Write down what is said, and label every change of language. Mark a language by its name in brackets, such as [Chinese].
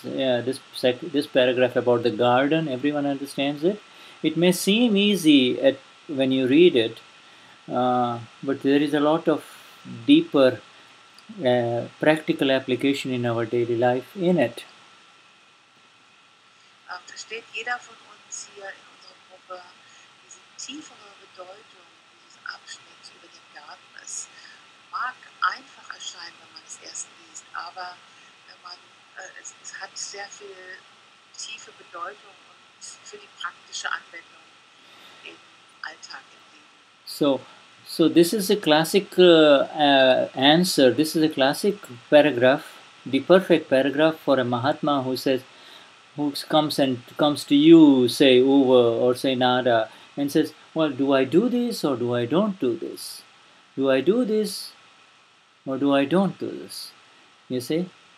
[English] This paragraph about the garden. Everyone understands it. It may seem easy when you read it, But there is a lot of deeper practical application in our daily life in it. [German] Versteht jeder von uns hier in unserer Gruppe diese tiefere Bedeutung dieses Abschnitts über den Garten? Es mag einfach erscheinen, wenn man es erst liest, aber wenn man, es hat sehr viel tiefe Bedeutung und für die praktische Anwendung im Alltag, im Leben. [English] So this is a classic answer. This is a classic paragraph, the perfect paragraph for a Mahatma who says, who comes to you, say Uva or say Nada, and says, well, do I do this or do I don't do this? Do I do this or do I don't do this? You see?